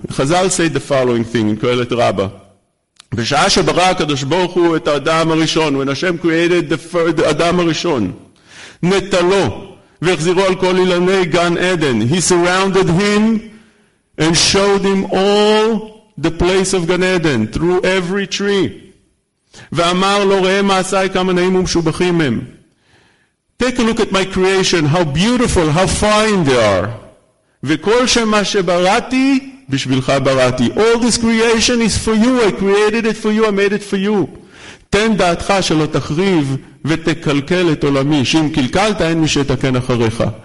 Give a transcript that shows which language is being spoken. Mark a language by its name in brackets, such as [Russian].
[English] Chazal said the following thing in Kohelet Rabbah. [Hebrew] B'sha'a shebara HaKadosh Baruch Hu et Adam HaRishon, [English] when Hashem created the Adam HaRishon, [Hebrew] netalo, v'chziru al kol ilanei gan Eden, [English] he surrounded him and showed him all the place of Gan Eden through every tree. [Hebrew] ואמר לו, ראה מעשיי כמה נעים ומשובחים הם. [English] Take a look at my creation, how beautiful, how fine they are. [Hebrew] וכל שמה שבראתי, בשבילך בראתי. [English] All this creation is for you, I created it for you, I made it for you. [Hebrew] תן דעתך שלא תחריב ותקלקל את עולמי, שאם קלקלת אין מי שיתקן אחריך.